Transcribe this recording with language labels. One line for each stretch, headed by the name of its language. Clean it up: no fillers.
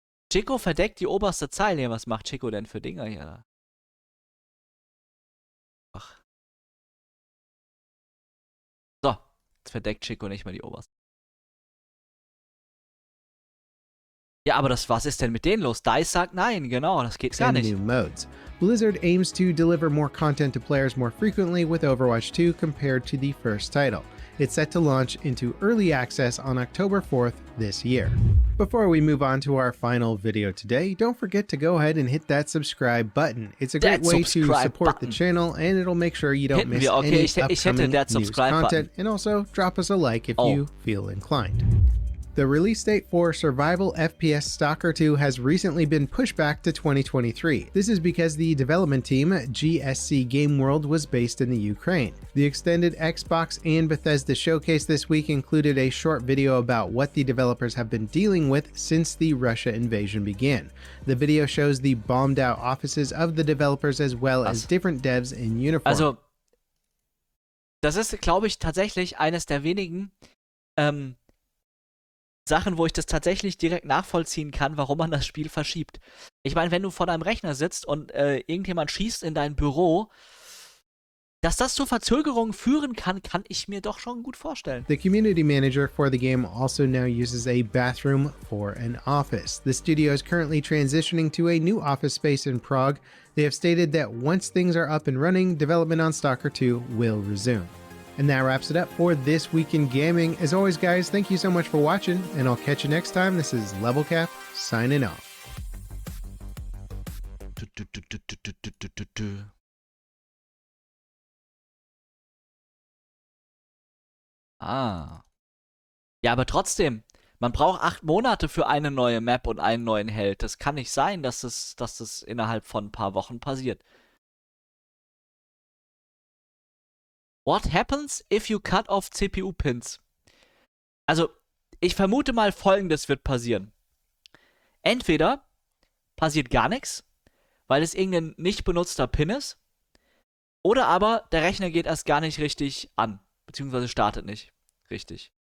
German: Chico verdeckt die oberste Zeile. Was macht Chico denn für Dinger hier? Ach. So, jetzt verdeckt Chico nicht mehr die oberste. Ja, aber was ist denn mit denen los? DICE sagt nein, genau, das geht gar nicht.
English: New modes. Blizzard aims to deliver more content to players more frequently with Overwatch 2 compared to the first title. It's set to launch into early access on October 4th this year. Before we move on to our final video today, don't forget to go ahead and hit that subscribe button. It's a great way to support the channel, and it'll make sure you don't miss any upcoming news content. And also, drop us a like if you feel inclined. The release date for survival FPS Stalker 2 has recently been pushed back to 2023. This is because the development team, GSC Game World, was based in the Ukraine. The extended Xbox and Bethesda showcase this week included a short video about what the developers have been dealing with since the Russia invasion began. The video shows the bombed out offices of the developers as well as different devs in uniform.
German: Also, das ist, glaube ich, tatsächlich eines der wenigen Sachen, wo ich das tatsächlich direkt nachvollziehen kann, warum man das Spiel verschiebt. Ich meine, wenn du vor deinem Rechner sitzt und irgendjemand schießt in dein Büro, dass das zu Verzögerungen führen kann, kann ich mir doch schon gut vorstellen.
English: The community manager for the game also now uses a bathroom for an office. The studio is currently transitioning to a new office space in Prague. They have stated that once things are up and running, development on Stalker 2 will resume. And that wraps it up for This Week in Gaming. As always, guys, thank you so much for watching, and I'll catch you next time. This is Level Cap, signing off. Ah.
German: Ja, aber trotzdem, man braucht 8 Monate für eine neue Map und einen neuen Held. Das kann nicht sein, dass das innerhalb von ein paar Wochen passiert.
English: What happens if you cut off CPU pins?
German: Also, ich vermute mal, Folgendes wird passieren. Entweder passiert gar nichts, weil es irgendein nicht benutzter Pin ist, oder aber der Rechner geht erst gar nicht richtig an, beziehungsweise startet nicht richtig.